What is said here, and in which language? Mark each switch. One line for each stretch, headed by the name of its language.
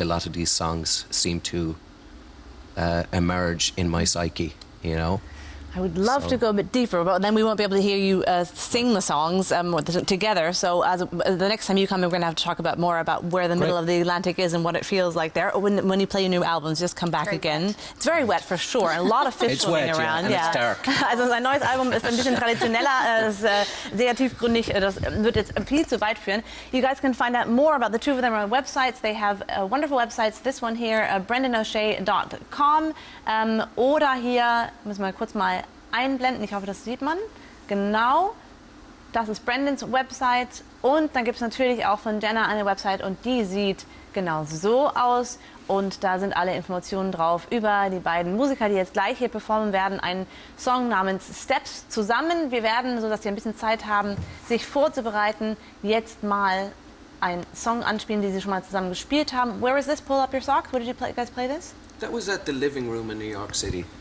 English: A lot of these songs seem to emerge in my psyche, you know? I would love to go a bit deeper, but then we won't be able to hear you sing the songs together. So the next time you come, we're going to have to talk about more about where the middle of the Atlantic is and what it feels like there. When you play your new albums, just come back again. It's very wet, for sure. And a lot of fish swimming around. Yeah, and it's dark.
German: Also, sein neues Album ist ein bisschen traditioneller, sehr tiefgründig. Das wird jetzt viel zu weit führen.
English: You guys can find out more about the two of them on websites. They have wonderful websites. This one here, brendanoshea.com.
German: Oder hier, müssen wir kurz mal einblenden. Ich hoffe, das sieht man. Genau. Das ist Brendans Website. Und dann gibt es natürlich auch von Jenna eine Website und die sieht genau so aus. Und da sind alle Informationen drauf über die beiden Musiker, die jetzt gleich hier performen werden. Einen Song namens Steps zusammen. Wir werden, so dass sie ein bisschen Zeit haben, sich vorzubereiten, jetzt mal einen Song anspielen, den sie schon mal zusammen gespielt haben.
English: Where is this? Pull up your sock. Where did you guys play this? That was at the living room in New York City.